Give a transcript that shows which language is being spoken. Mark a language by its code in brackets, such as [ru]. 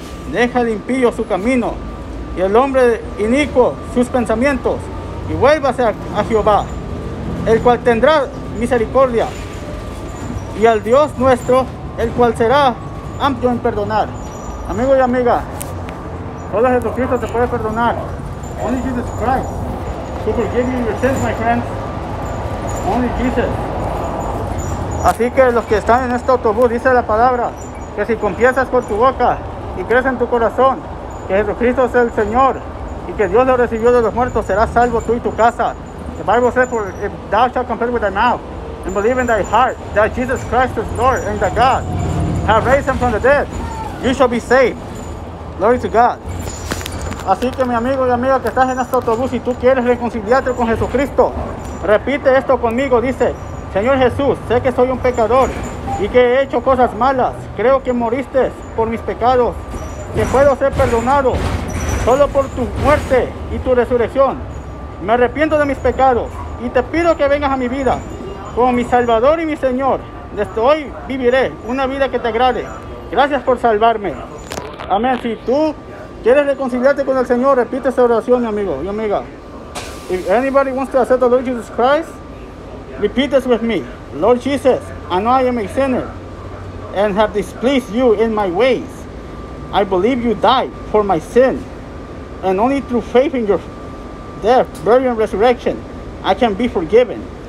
[es] Deja el impío su camino, y el hombre inicuo sus pensamientos, y vuélvase a Jehová, el cual tendrá misericordia, y al Dios nuestro, el cual será amplio en perdonar. Amigo y amiga, solo Jesucristo te puede perdonar. [en] Only Jesus Christ. He forgives you your sins, my friends. Only Jesus. [es] Así que los que están en este autobús, dice la palabra, que si confiesas con tu boca y crees en tu corazón que Jesucristo es el Señor y que Dios lo recibió de los muertos, serás salvo tú y tu casa. [en] The Bible says, for if thou shalt confess with thy mouth and believe in thy heart that Jesus Christ is Lord and that God have raised him from the dead, you shall be saved. Glory to God. [es] Así que mi amigo y amiga que estás en este autobús y tú quieres reconciliarte con Jesucristo, repite esto conmigo, dice: Señor Jesús, sé que soy un pecador y que he hecho cosas malas. Creo que moriste por mis pecados, que puedo ser perdonado solo por tu muerte y tu resurrección. Me arrepiento de mis pecados y te pido que vengas a mi vida como mi Salvador y mi Señor. Desde hoy viviré una vida que te agrade. Gracias por salvarme. Amén. Si tú quieres reconciliarte con el Señor, repite esa oración, mi amigo y amiga. [en] If anybody wants to accept the Lord Jesus Christ, repeat this with me. Lord Jesus, I know I am a sinner and have displeased you in my ways. I believe you died for my sin, and only through faith in your death, burial, and resurrection, I can be forgiven.